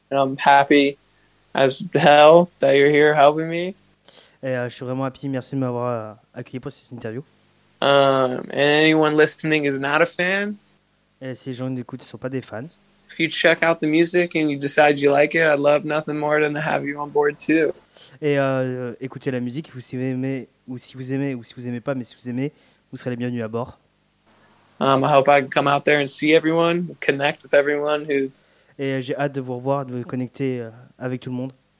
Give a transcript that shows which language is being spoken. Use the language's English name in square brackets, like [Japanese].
[English] And I'm happy as hell that you're here helping me. [French] Et je suis vraiment happy, merci de m'avoir accueilli pour cette interview. [English] And anyone listening is not a fan. [French] Et si les gens qui écoutent ne sont pas des fans. [English] If you check out the music and you decide you like it, I'd love nothing more than to have you on board too. [French] Et écoutez la musique, vous aimez ou si vous aimez ou si vous aimez pas, mais si vous aimez, vous serez les bienvenus à bord. [English] I hope I can come out there and see everyone, connect with everyone who. [French] Et j'ai hâte de vous revoir, de vous connecter avec tout le monde.